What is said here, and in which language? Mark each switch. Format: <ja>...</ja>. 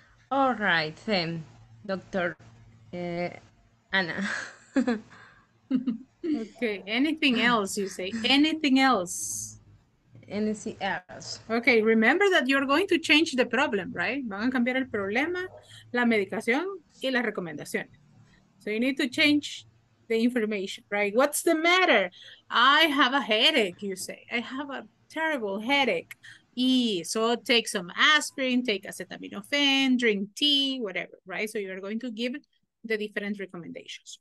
<en>All right, then, Dr. Anna. Okay, anything else, you say? Anything else? Anything else. Okay, remember that you're going to change the problem, right?</en> <es>Van a cambiar el problema, la medicación y las recomendaciones.</es> <en>So you need to change the information, right? What's the matter? I have a headache, you say. I have a terrible headache. E. So take some aspirin, take acetaminophen, drink tea, whatever, right? So you are going to give the different recommendations.</en>